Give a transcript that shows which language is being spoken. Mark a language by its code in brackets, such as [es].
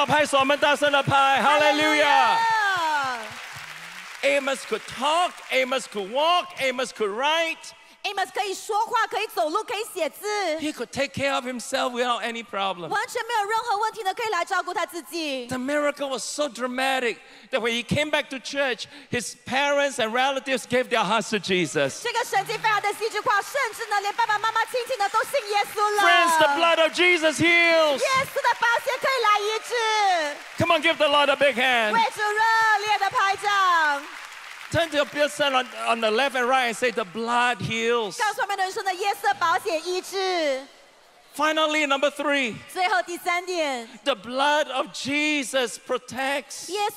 [en] Hallelujah! Amos could talk, Amos could walk, Amos could write. [zh] Amos 可以说话, 可以走路, 可以写字, [en] he could take care of himself without any problem. [zh] 完全没有任何问题呢, [en] the miracle was so dramatic that when he came back to church, his parents and relatives gave their hearts to Jesus. [zh] 这个神迹非常的戏剧化, 甚至呢,连爸爸妈妈亲亲的都信耶稣了。 [en] Friends, the blood of Jesus heals. [zh] 耶稣的宝血可以来医治。 [en] Come on, give the Lord a big hand. [zh] 为主热烈的拍掌。 [en] Turn to your person on the left and right and say, the blood heals. Finally, number 3. The blood of Jesus protects.